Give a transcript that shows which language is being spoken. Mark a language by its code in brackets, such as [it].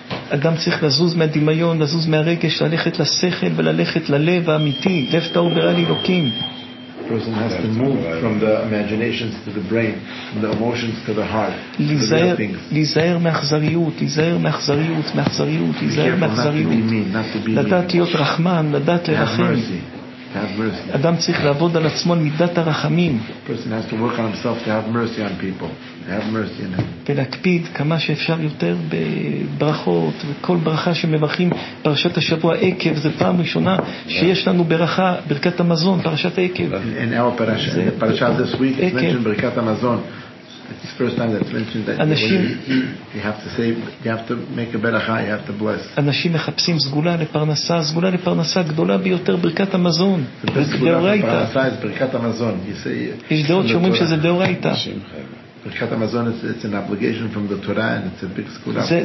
[he] אדם צריך לזוז מהדמיון, לזוז מהרגש, ללכת לשכל וללכת ללב האמיתי. לב טהור ברא לי אלוקים. [en] Person has to move from the imaginations to the brain, from the emotions to the heart. [he] ליזהר מאכזריות, ליזהר מאכזריות, מאכזריות, ליזהר מאכזריות. לדעת להיות רחמן, לדעת לרחם. אדם צריך לעבוד על עצמו על מידת הרחמים. [en] Person has to work on himself to have mercy on people. To have mercy on him. [he] ולהקפיד כמה שאפשר יותר בברכות, וכל ברכה שמברכים פרשת השבוע עקב, זה פעם ראשונה שיש לנו ברכה, ברכת המזון, פרשת עקב. [en] In our parasha this week, it's mentioned ברכת המזון. It's the first time that's mentioned that [he] אנשים, [en] you have to say, you have to make a berakha, you have to bless. [he] אנשים מחפשים סגולה לפרנסה, סגולה לפרנסה גדולה ביותר, ברכת המזון. [en] The best [he] סגולה לפרנסה [en] is ברכת המזון. [he] יש דעות שאומרים שזה דאורייתא. [en] ברכת המזון it's an obligation from the Torah and it's a big סגולה.